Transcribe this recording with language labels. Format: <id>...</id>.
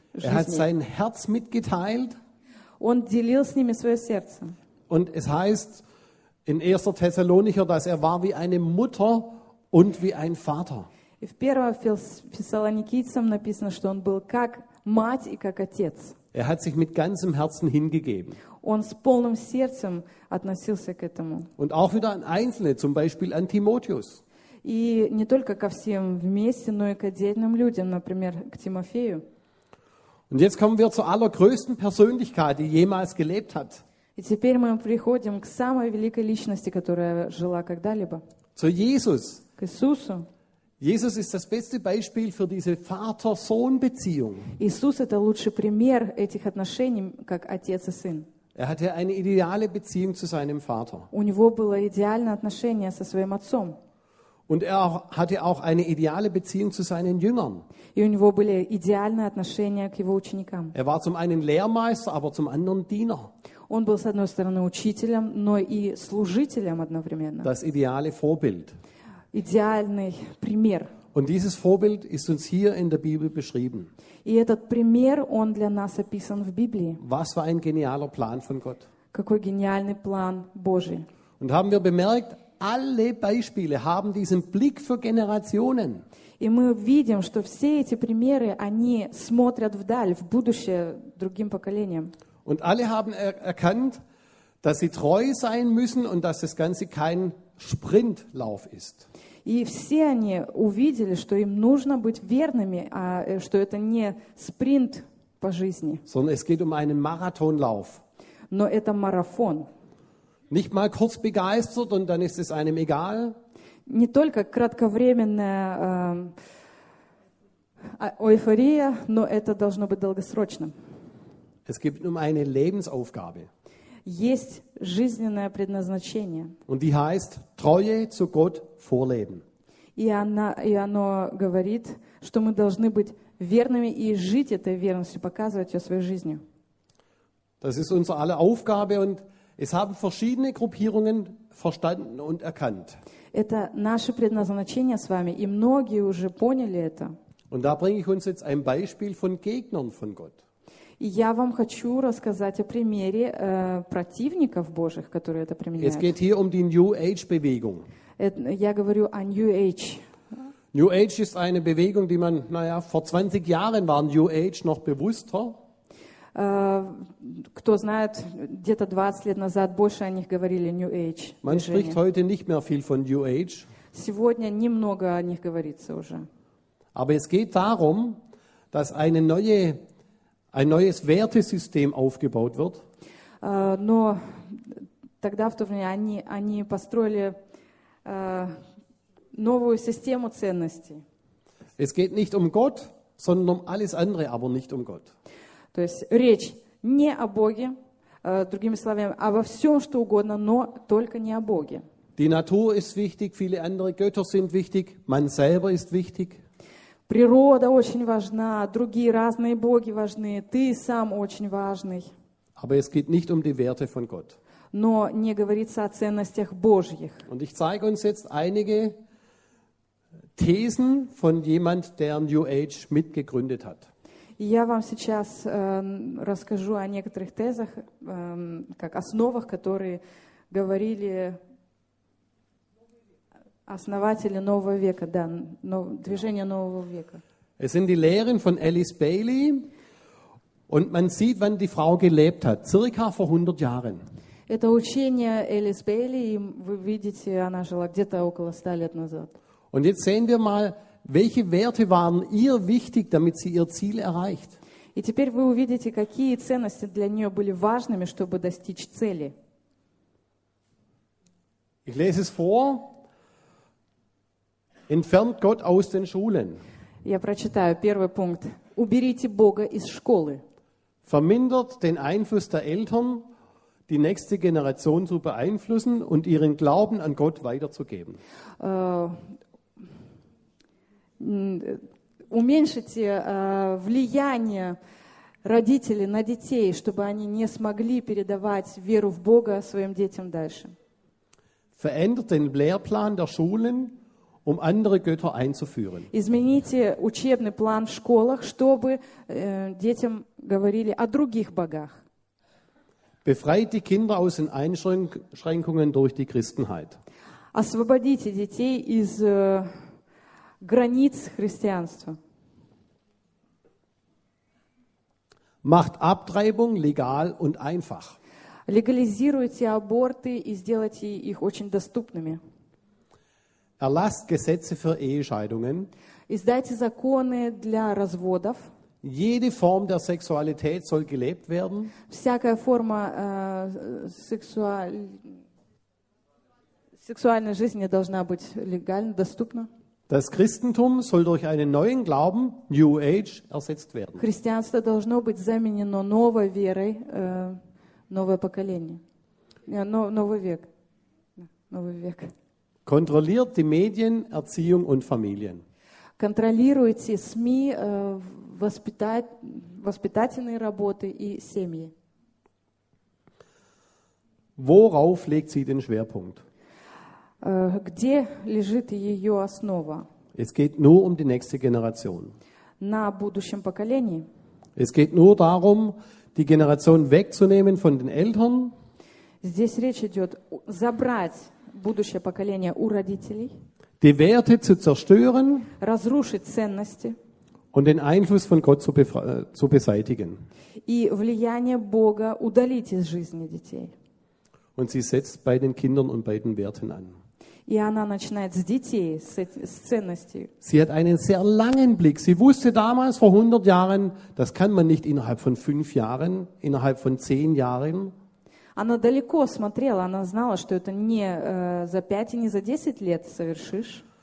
<de>Er hat sein Herz mitgeteilt.</de> <ru>Он делил с ними свое сердце.</ru> <de>Und es heißt in 1. Thessalonicher, dass er war wie eine Mutter und wie ein Vater.</de> <ru>И в 1 Фессалоникийцам написано, что он был как мать и как отец.</ru> <de>Er hat sich mit ganzem Herzen hingegeben.</de> <ru>Он с полным сердцем относился к этому.</ru> <de>Und auch wieder an Einzelne, zum Beispiel an Timotheus.</de> <ru>И не только ко всем вместе, но и к отдельным людям, например, к Тимофею.</ru> <de>Und jetzt kommen wir zur allergrößten Persönlichkeit, die jemals gelebt hat.</de> <ru>И теперь мы приходим к самой великой личности, которая жила когда-либо.</ru> <de>Zu Jesus.</de> <ru>К Иисусу.</ru> <de>Jesus ist das beste Beispiel für diese Vater-Sohn-Beziehung.</de> <ru>Иисус – это лучший пример этих отношений, как отец и сын.</ru> <de>Er hatte eine ideale Beziehung zu seinem Vater.</de> <ru>У него было идеальное отношение со своим отцом.</ru> <de>Und er hatte auch eine ideale Beziehung zu seinen Jüngern.</de> <ru>И у него были идеальные отношения к его ученикам.</ru> <de>Er war zum einen Lehrmeister, aber zum anderen Diener.</de> <ru>Он был, с одной стороны, учителем, но и служителем одновременно.</ru> <de>Das ideale Vorbild.</de> <ru>Идеальный пример.</ru> <de>Und dieses Vorbild ist uns hier in der Bibel beschrieben.</de> <ru>И этот пример, он для нас описан в Библии.</ru> <de>Was für ein genialer Plan von Gott.</de> <ru>Какой гениальный план Божий.</ru> <de>Und haben wir bemerkt, alle Beispiele haben diesen Blick für Generationen.</de> <ru>И мы видим, что все эти примеры, они смотрят вдаль, в будущее, другим поколениям.</ru> <de>Und alle haben erkannt, dass sie treu sein müssen und dass das Ganze kein Sprintlauf ist.</de> <ru>И все они увидели, что им нужно быть верными, а что это не спринт по жизни.</ru> <de>Sondern es geht um einen Marathonlauf.</de> <ru>Но это марафон.</ru> <de>Nicht mal kurz begeistert und dann ist es einem egal.</de> <ru>Не только кратковременная эйфория, но это должно быть долгосрочным.</ru> <de>Es geht um eine Lebensaufgabe.</de> <ru>Есть жизненное предназначение.</ru> <de>Und die heißt Treue zu Gott vorleben.</de> <ru>И оно говорит, что мы должны быть верными и жить этой верностью, показывать ее своей жизнью.</ru> <de>Das ist unsere aller Aufgabe und es haben verschiedene Gruppierungen verstanden und erkannt.</de> <ru>Это наше предназначение с вами, и многие уже поняли это.</ru> <de>Und da bringe ich uns jetzt ein Beispiel von Gegnern von Gott.</de> <ru>И я вам хочу рассказать о примере противников Божьих, которые это применяют.</ru> <de>Es geht hier um die New Age Bewegung.</de> <ru>Я говорю о New Age.</ru> <de>New Age ist eine Bewegung, die man, vor 20 Jahren war New Age noch bewusster.</de> <ru>Кто знает, где-то 20 лет назад больше о них говорили New Age.</ru> <de>Man spricht heute nicht mehr viel von New Age.</de> <ru>Сегодня немного о них говорится уже.</ru> <de>Aber es geht darum, dass ein neues Wertesystem aufgebaut wird.</de> <ru>Но тогда в то время они построили новую систему ценностей.</ru> <de>Es geht nicht um Gott, sondern um alles andere, aber nicht um Gott.</de> <ru>То есть речь не о Боге, другими словами, а во всем, что угодно, но только не о Боге.</ru> <de>Die Natur ist wichtig, viele andere Götter sind wichtig, man selber ist wichtig.</de> <ru>Природа очень важна, другие разные боги важны, ты сам очень важный.</ru> <de>Aber es geht nicht um die Werte von Gott.</de> <ru>Но не говорится о ценностях Божьих.</ru> <de>Und ich zeige uns jetzt einige Thesen von jemand, der New Age mitgegründet hat.</de> <ru>Я вам сейчас расскажу о некоторых тезах, как основах, которые говорили основатели нового века, да, движения нового века.</ru> <de>Es sind die Lehren von Alice Bailey und man sieht, wann die Frau gelebt hat, circa vor 100 Jahren.</de> <ru>Это учение Элис Бейли, вы видите, она жила где-то около 100 лет назад.</ru> <de>Und jetzt sehen wir mal, welche Werte waren ihr wichtig, damit sie ihr Ziel erreicht.</de> <ru>И теперь вы увидите, какие ценности для нее были важными, чтобы достичь цели.</ru> <de>Ich lese es vor. Entfernt Gott aus den Schulen.</de> <ru>Я прочитаю первый пункт. Уберите Бога из школы.</ru> <de>Vermindert den Einfluss der Eltern, die nächste Generation zu beeinflussen und ihren Glauben an Gott weiterzugeben.</de> <ru>Уменьшите влияние родителей на детей, чтобы они не смогли передавать веру в Бога своим детям дальше.</ru> <de>Verändert den Lehrplan der Schulen, um andere Götter einzuführen.</de> <ru>Измените учебный план в школах, чтобы детям говорили о других богах.</ru> <de>Befreit die Kinder aus den Einschränkungen durch die Christenheit.</de> <ru>Освободите детей из границ христианства.</ru> <de>Macht Abtreibung legal und einfach.</de> <ru>Легализируйте аборты и сделайте их очень доступными.</ru> <de>Erlasst Gesetze für Ehescheidungen.</de> <ru>Издайте законы для разводов.</ru> <de>Jede Form der Sexualität soll gelebt werden.</de> <ru>Всякая форма сексуальной жизни должна быть легально доступна.</ru> <de>Das Christentum soll durch einen neuen Glauben, New Age, ersetzt werden.</de> <ru>Христианство должно быть заменено новой верой, новое поколение. Новый век.</ru> <de>Kontrolliert die Medien, Erziehung und Familien.</de> <ru>Контролируйте СМИ, воспитательные работы и семьи.</ru> <de>Worauf legt sie den Schwerpunkt?</de> <ru>Где лежит ее основа?</ru> <de>Es geht nur um die nächste Generation.</de> <ru>На будущем поколении.</ru> <de>Es geht nur darum, die Generation wegzunehmen von den Eltern.</de> <ru>Здесь речь идет забрать будущее поколение у родителей.</ru> <de>Die Werte zu zerstören.</de> <ru>Разрушить ценности.</ru> <de>Und den Einfluss von Gott zu beseitigen.</de> <ru>И влияние Бога удалить из жизни детей.</ru> <de>Und sie setzt bei den Kindern und bei den Werten an.</de> <ru>И она начинает с детей, с ценностей.</ru> <de>Sie hat einen sehr langen Blick. Sie wusste damals vor 100 Jahren, das kann man nicht innerhalb von 5 Jahren, innerhalb von 10 Jahren.</de> <ru>Она далеко смотрела, она знала, что это не за 5 и не за 10 лет совершишь.</ru>